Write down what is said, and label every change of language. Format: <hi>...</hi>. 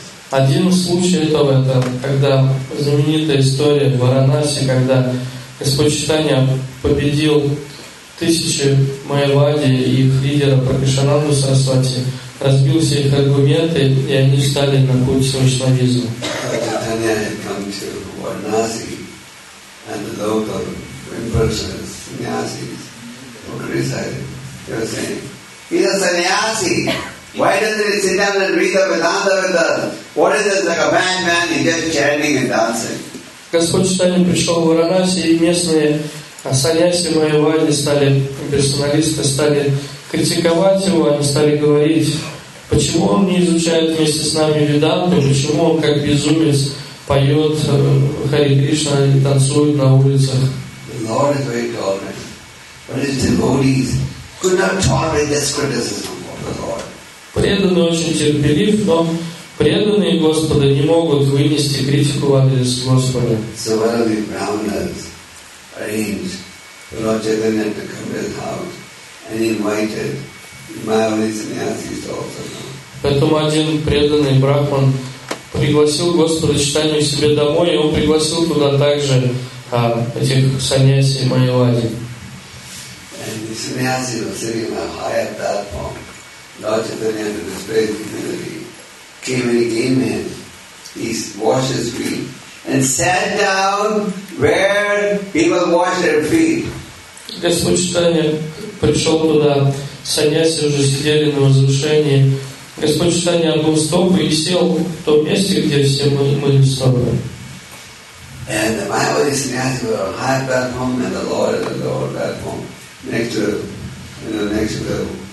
<ru>Один случай этого, это когда знаменитая история в Варанаси, когда Господь Чайтанья победил тысячи майявади и их лидера Пракашананду Сарасвати, разбил все их аргументы, и они встали на путь вайшнавизма.</ru> <en>Why doesn't he sit down and read the Vedanta with us? What is this, like a man, he's just chanting and dancing?</en> <ru>Господь Чайтанья пришел в Варанаси, и местные саньяси майявади стали, персоналисты стали критиковать его, они стали говорить, почему он не изучает вместе с нами веданту, почему он как безумец поет Хари Кришна и танцует на улицах.</ru> <en>The Lord is very tolerant. But his devotees could not tolerate this criticism of the Lord.</en> <ru>Преданный очень терпелив, но преданные Господа не могут вынести критику в адрес Господа.</ru> <en>So one of the brahmanas arranged for Lord Chaitanya to come to his house and invited Mayavadi sannyasis also.</en> <ru>Поэтому один преданный брахман пригласил Господа Чайтанью к себе домой, и он пригласил туда также этих саньяси майявади.</ru> <en>And the sannyasi was sitting on a high platform. Lord Chaitanya, in his great humility, came and came in. He washed his feet and sat down where he was washing his feet.</en> <ru>Господь Чайтанья пришел туда, саньяси уже сидели на возвышении. Господь Чайтанья обул стопы и сел в том месте, где все мыли стопы.</ru> <en>And the Mayavadi sannyasi was on high platform, and the Lord at the lower platform, next to, next to the.</en>